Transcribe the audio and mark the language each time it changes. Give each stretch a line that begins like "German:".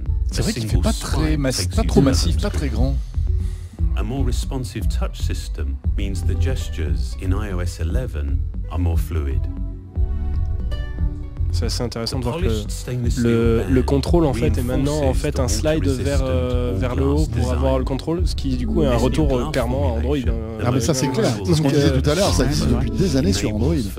French: C'est vrai qu'il fait pas trop massif, pas très grand.
English: A more responsive touch system means the gestures in iOS 11 are more fluid.
French: C'est assez intéressant de voir que le contrôle en fait est maintenant en fait un slide vers le haut pour avoir le contrôle, ce qui du coup est un retour clairement à Android. Ah mais ça c'est clair, ce qu'on disait tout à l'heure, ça existe depuis des années sur Android.